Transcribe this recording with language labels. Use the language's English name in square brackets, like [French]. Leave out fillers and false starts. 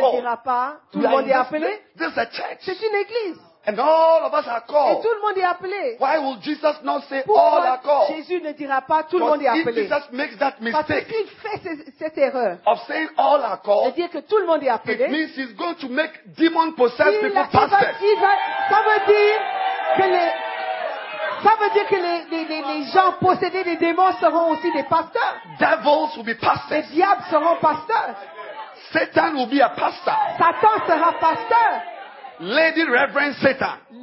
[English] called? [French] Dira pas, tout le monde est appelé? [English] This is a church. [French] C'est une église. [English] And all of us are called. [French] Et tout le monde est appelé. [English] Why would Jesus not say [French] pourquoi [English] all are called? [French] Jésus ne dira pas tout le monde est appelé. [English] If Jesus makes that mistake, [French] parce qu'il fait cette erreur [English] of saying all are called, [French] de dire que tout le monde est appelé, [English] it means he's going to make demon possessed people pastors. [French] Ça veut dire que les gens possédés des démons seront aussi des pasteurs. [English] Devils will be pastors. [French] Les diables seront pasteurs. [English] Satan will be a pastor. [French] Satan sera pasteur. [English] Lady Reverend Satan.